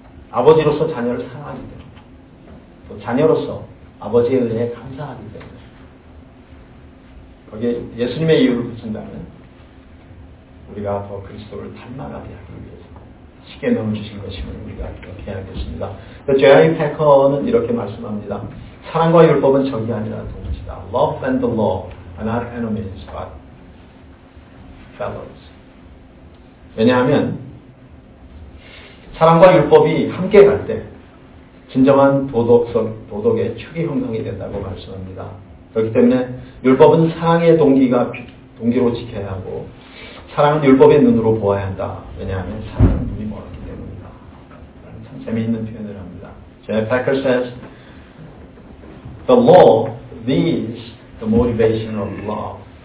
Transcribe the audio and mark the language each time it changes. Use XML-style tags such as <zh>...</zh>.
<ko>아버지로서 자녀를 사랑하기 때문에, 또 자녀로서 아버지의 은혜에 감사하기 때문에, 거기에 예수님의 이유를 붙인다면 우리가 더 그리스도를 닮아가게 하기 위해서 십계명을 주신 것임을 우리가 기억해야겠습니다. J.I. 패커는 이렇게 말씀합니다. 사랑과 율법은 적이 아니라 동지다.</ko> <en>Love and the law are not enemies but fellows.</en> <ko>왜냐하면 사랑과 율법이 함께 갈 때 진정한 도덕의 축이 형성이 된다고 말씀합니다. 그렇기 때문에 율법은 사랑의 동기로 지켜야 하고 사랑은 율법의 눈으로 보아야 한다. 왜냐하면 사랑은 눈이 멀었기 때문이다. 참 재미있는 표현을 합니다. J.I.</ko> <en>Packer says, The law needs the motivation of love.</en>